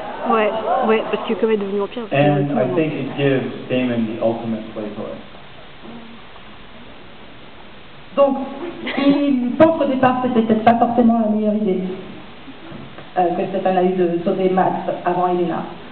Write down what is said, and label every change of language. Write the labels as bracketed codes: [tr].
[fr] Ouais, ouais, parce que comme est devenu vampire. [en] And I think it gives Damon the ultimate play toy. [fr] Donc, il pense au départ que c'était peut-être pas forcément la meilleure idée que Stefan a eu de sauver Max avant Elena.